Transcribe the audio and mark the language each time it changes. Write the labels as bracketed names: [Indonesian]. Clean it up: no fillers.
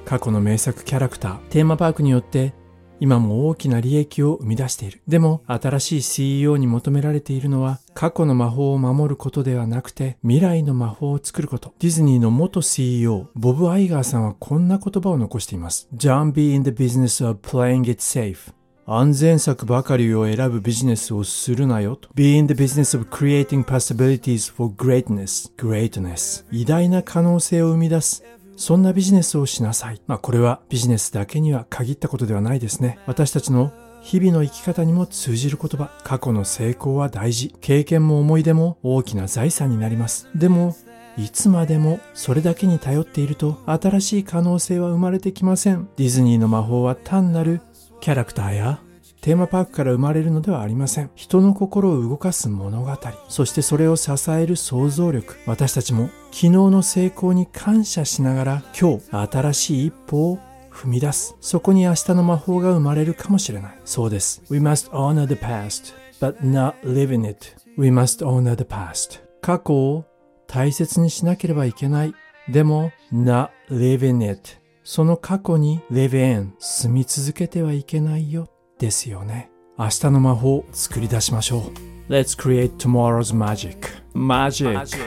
[Japanese] 過去の名作キャラクター、テーマパークによって今も大きな利益を生み出している。でも新しい CEO に求められているのは過去の魔法を守ることではなくて未来の魔法を作ること。ディズニーの元 CEO、ボブ・アイガーさんはこんな言葉を残しています。 [English] Don't be in the business of playing it safe. [Japanese] 安全策ばかりを選ぶビジネスをするなよと。 [English] Be in the business of creating possibilities for greatness. [Japanese] Greatness. 偉大な可能性を生み出す。そんなビジネスをしなさい。まあこれはビジネスだけには限ったことではないですね。私たちの日々の生き方にも通じる言葉。過去の成功は大事。経験も思い出も大きな財産になります。でも、いつまでもそれだけに頼っていると新しい可能性は生まれてきません。ディズニーの魔法は単なるキャラクターやテーマパークから生まれるのではありません。人の心を動かす物語、そしてそれを支える想像力。私たちも昨日の成功に感謝しながら今日新しい一歩を踏み出す。そこに明日の魔法が生まれるかもしれない。そうです。 [English] We must honor the past, but not live in it. We must honor the past. [Japanese] 過去を大切にしなければいけない。でも、 [English] not live in it. [Japanese] その過去に live in 住み続けてはいけないよですよね。明日の魔法を作り出しましょう。 [English] Let's create tomorrow's magic. Magic.